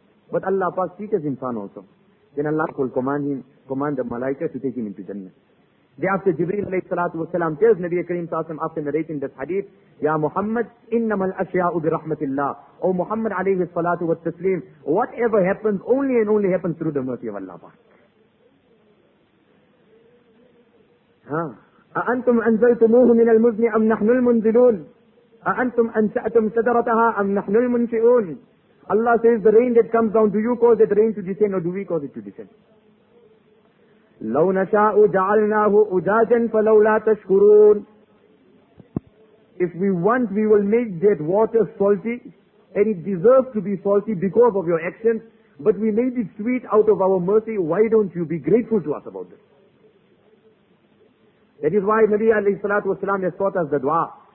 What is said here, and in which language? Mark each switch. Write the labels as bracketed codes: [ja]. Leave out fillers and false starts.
[en] But Allah Pak teaches insan also. Then Allah will command the malaika to take him into Jannah. Thereafter, Jibreel alayhi salatu wasalam tells Nabi Kareem Sassam after narrating this hadith, [ar] Ya Muhammad, innamal ashya'u bi rahmatillah. [en] O Muhammad alayhi salatu wa taslim, whatever happens, only and only happens through the mercy of Allah Pak. [ar] أأنتم أنزلتموه من المزن أم نحن المنزلون أأنتم أنشأتم شجرتها أم نحن المنشئون. [en] Allah says the rain that comes down, do you cause the rain to descend or do we cause it to descend? [ar] لو نشاء جعلناه أجاجا فلولا تشكرون. [en] If we want, we will make that water salty, and it deserves to be salty because of your actions, but we made it sweet out of our mercy. Why don't you be grateful to us about this? That is why Nabi alayhi salatu wasalam has taught us the dua.